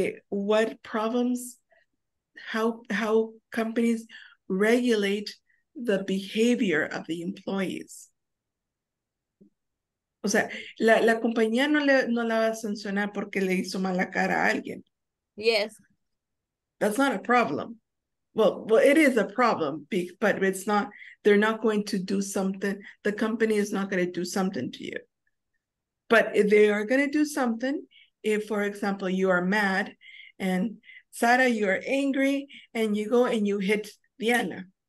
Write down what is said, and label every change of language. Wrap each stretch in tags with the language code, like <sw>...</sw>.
<en>what problems, how companies regulate the behavior of the employees.</en> <es>O sea, la compañía no la va a sancionar porque le hizo mala cara a alguien.</es> <en>Yes. That's not a problem. Well, it is a problem, but it's not, they're not going to do something, the company is not going to do something to you. But if they are going to do something, if, for example, you are mad and Sara, you are angry and you go and you hit Diana.</en>